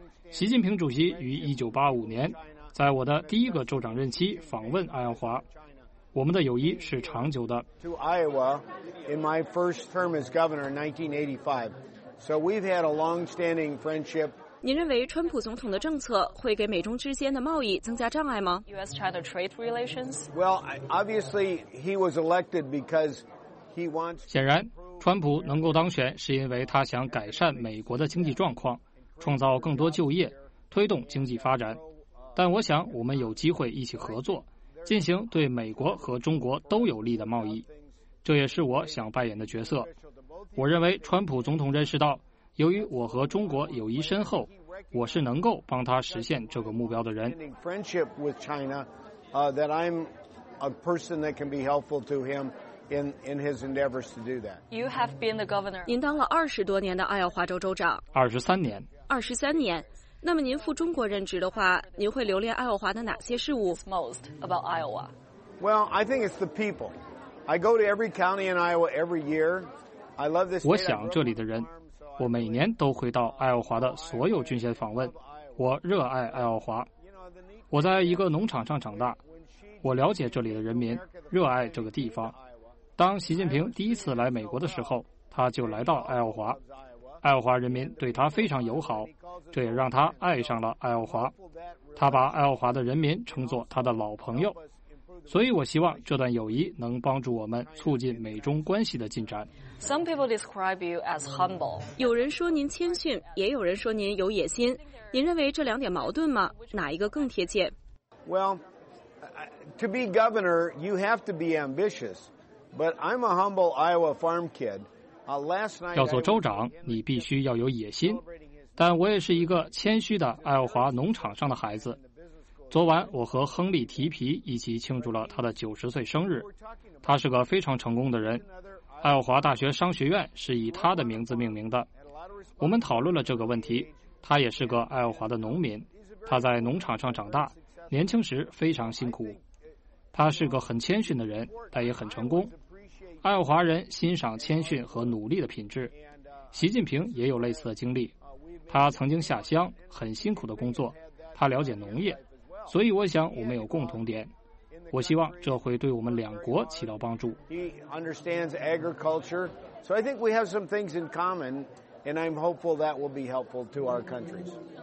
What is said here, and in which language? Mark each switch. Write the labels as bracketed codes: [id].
[zh] 习近平主席于1985年在我的第一个州长任期访问爱奥华，我们的友谊是长久的。 [en] To Iowa in my first term as governor in 1985. So we've had a long-standing friendship. [zh] 您认为川普总统的政策会给美中之间的贸易增加障碍吗？ [en] U.S.-China trade relations. Well, obviously he was elected because he wants. [zh] 显然，川普能够当选是因为他想改善美国的经济状况，创造更多就业，推动经济发展。但我想，我们有机会一起合作，进行对美国和中国都有利的贸易，这也是我想扮演的角色。我认为川普总统认识到，由于我和中国友谊深厚，我是能够帮他实现这个目标的人。 [en] Friendship with China, that I'm a person that can be helpful to him in his endeavors to do that. You have been the governor. [zh] 您当了20多年的爱奥华州州长。 23年。 23年。那么您赴中国任职的话，您会留恋爱奥华的哪些事物 [en] ？Most about Iowa. Well, I think it's the people. I go to every county in Iowa every year. I love this. [zh] 我想这里的人，我每年都会到爱奥华的所有郡县访问。我热爱爱奥华。我在一个农场上长大，我了解这里的人民，热爱这个地方。当习近平第一次来美国的时候，他就来到爱奥华。爱奥华人民对他非常友好，这也让他爱上了爱奥华。他把爱奥华的人民称作他的老朋友，所以我希望这段友谊能帮助我们促进美中关系的进展。 [en] Some people describe you as humble. [zh] 有人说您谦逊，也有人说您有野心。您认为这两点矛盾吗？哪一个更贴切 [en] ？Well, to be governor, you have to be ambitious. But I'm a humble Iowa farm kid. [zh] 要做州长，你必须要有野心，但我也是一个谦虚的爱奥华农场上的孩子。昨晚我和亨利提皮一起庆祝了他的90岁生日，他是个非常成功的人。爱奥华大学商学院是以他的名字命名的。我们讨论了这个问题，他也是个爱奥华的农民，他在农场上长大，年轻时非常辛苦。他是个很谦逊的人，但也很成功。爱奥华人欣赏谦逊和努力的品质，习近平也有类似的经历，他曾经下乡，很辛苦的工作，他了解农业，所以我想我们有共同点，我希望这会对我们两国起到帮助。 [en] He understands agriculture, so I think we have some things in common, and I'm hopeful that will be helpful to our countries.